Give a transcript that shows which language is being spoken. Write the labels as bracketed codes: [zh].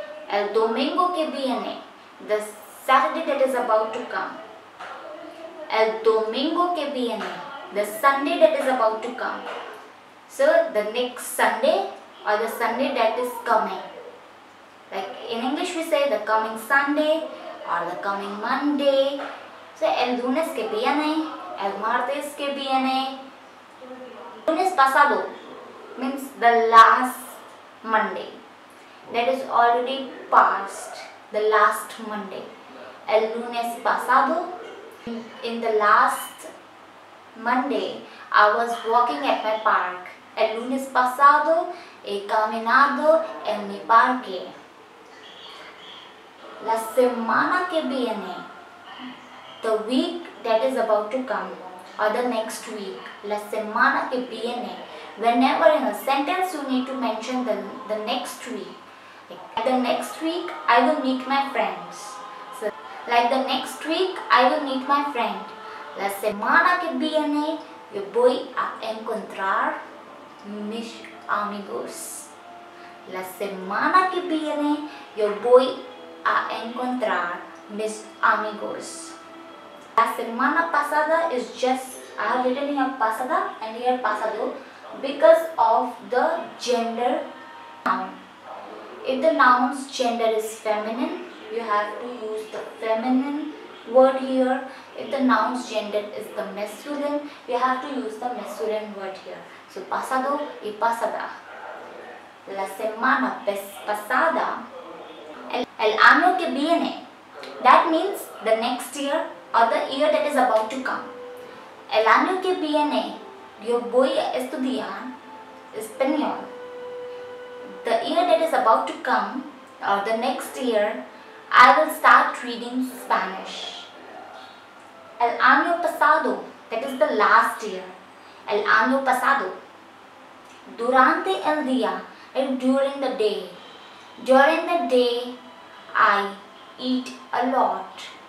[es] El domingo que viene, [en] the Saturday that is about to come. [es] El domingo que viene, [en] the Sunday that is about to come. So the next Sunday or the Sunday that is coming. Like in English we say the coming Sunday or the coming Monday. [es] So el lunes que viene, el martes que viene. Lunes pasado [en] means the last Monday. That is already past, the last Monday. [es] El lunes pasado. [en] In the last Monday, I was walking at my park. [es] El lunes pasado, he caminado en mi parque. La semana que viene. [en] The week that is about to come. Or the next week. [es] La semana que viene. [en] whenever in a sentence you need to mention the next week. Like, the next week I will meet my friends. So, like the next week I will meet my friend. [es] La semana que viene yo voy a encontrar mis amigos. La semana que viene yo voy a encontrar mis amigos. La semana pasada [en] is just, I have written here pasada and here pasado because of the gender noun. If the noun's gender is feminine, you have to use the feminine word here. If the noun's gender is the masculine, you have to use the masculine word here. So [es] pasado y pasada. La semana pasada, el año que viene, [en] that means the next year or the year that is about to come. [es] El año que viene, yo voy a estudiar español. [en] The year that is about to come, or the next year, I will start reading Spanish. [es] El año pasado, [en] that is the last year. [es] El año pasado. Durante el día, [en] and during the day. During the day, I eat a lot.